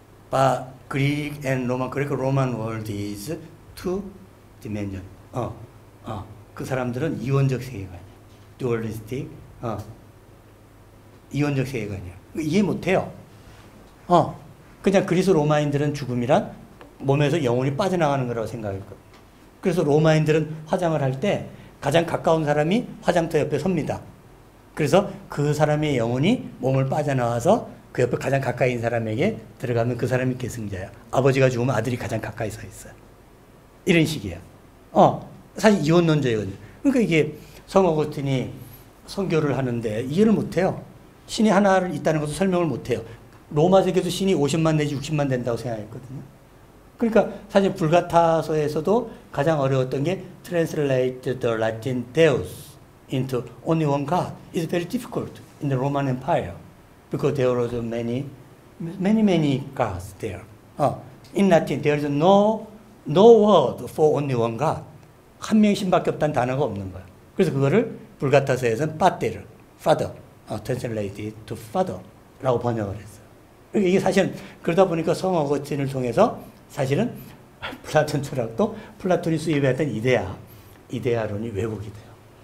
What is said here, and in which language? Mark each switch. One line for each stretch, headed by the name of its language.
English: But Greek and Roman, Greco-Roman world is two dimension.
Korean: 그 사람들은 이원적 세계관이야.
English: Dualistic.
Korean: 이원적 세계관이야. 이해 못해요. 그냥 그리스 로마인들은 죽음이란 몸에서 영혼이 빠져나가는 거라고 생각했고. 그래서 로마인들은 화장을 할 때 가장 가까운 사람이 화장터 옆에 섭니다. 그래서 그 사람의 영혼이 몸을 빠져나와서 그 옆에 가장 가까이 있는 사람에게 들어가면 그 사람이 계승자야. 아버지가 죽으면 아들이 가장 가까이 서 있어요. 이런 식이에요. 사실 이원론자이거든요. 그러니까 이게 성 어거스틴이 선교를 하는데 이해를 못해요. 신이 하나를 있다는 것도 설명을 못해요. 로마 세계에서 신이 50만 내지 60만 된다고 생각했거든요. 그러니까 사실 불가타서에서도 가장 어려웠던 게
English: translate the Latin Deus into only one God is very difficult in the Roman Empire because there was many gods there. In Latin, there is no word for only one God.
Korean: 한 명의 신밖에 없다는 단어가 없는 거야. 그래서 그거를 불가타서에서는
English: Pater, Father, translated to Father
Korean: 라고 번역을 했어요. 이게 사실 그러다 보니까 성 어거스틴을 통해서 사실은 플라톤 철학도 플라톤이 수입했던 이데아론이 왜곡이 돼요.